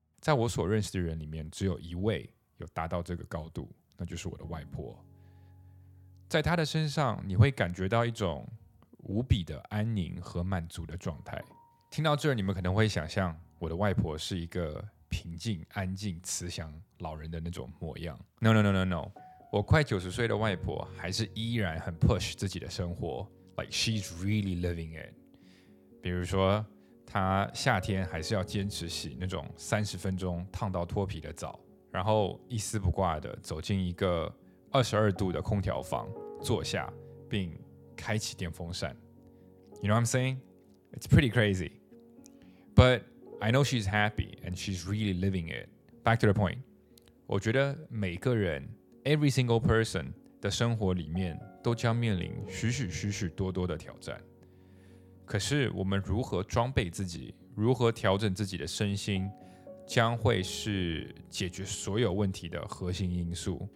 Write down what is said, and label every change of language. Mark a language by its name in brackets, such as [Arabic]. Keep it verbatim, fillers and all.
[Chinese] 在我所认识的人里面，只有一位有达到这个高度，那就是我的外婆。在她的身上，你会感觉到一种无比的安宁和满足的状态。听到这儿，你们可能会想象我的外婆是一个平静、安静、慈祥老人的那种模样。 [English] No no no no no， [Chinese] 我快九十岁的外婆还是依然很 push 自己的生活， [English] like she's really living it。 [Chinese] 比如说，她夏天还是要坚持洗那种三十分钟烫到脱皮的澡，然后一丝不挂的走进一个二十二度的空调房，坐下并开启电风扇。 [English] You know what I'm saying? It's pretty crazy, but I know she's happy and she's really living it. Back to the point. [Chinese] 我觉得每个人 [English] every single person [Chinese] 的生活里面都将面临许许许许多多的挑战。可是我们如何装备自己，如何调整自己的身心，将会是解决所有问题的核心因素。